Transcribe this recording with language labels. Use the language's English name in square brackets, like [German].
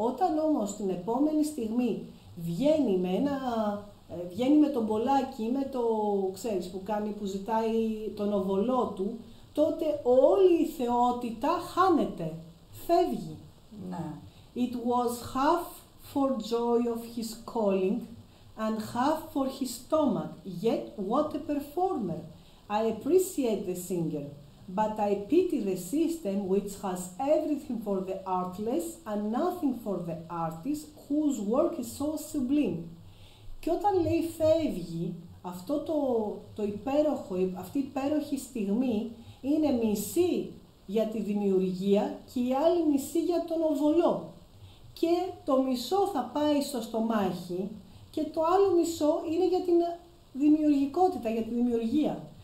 [Greek] Όταν όμως την επόμενη στιγμή βγαίνει με ένα... Βγαίνει με τον Πολάκη ή με το, ξέρεις, που κάνει, που ζητάει τον οβολό του, τότε όλη η θεότητα χάνεται, φεύγει. Ναι. [English] It was half for joy of his calling and half for his stomach, yet what a performer. I appreciate the singer, but I pity the system which has everything for the artless and nothing for the artist whose work is so sublime. [Greek] Και όταν, λέει, φεύγει, αυτό το υπέροχο, αυτή η υπέροχη στιγμή είναι μισή για τη δημιουργία και η άλλη μισή για τον οβολό. Και το μισό θα πάει στο στομάχι και το άλλο μισό είναι για την δημιουργικότητα, για τη δημιουργία.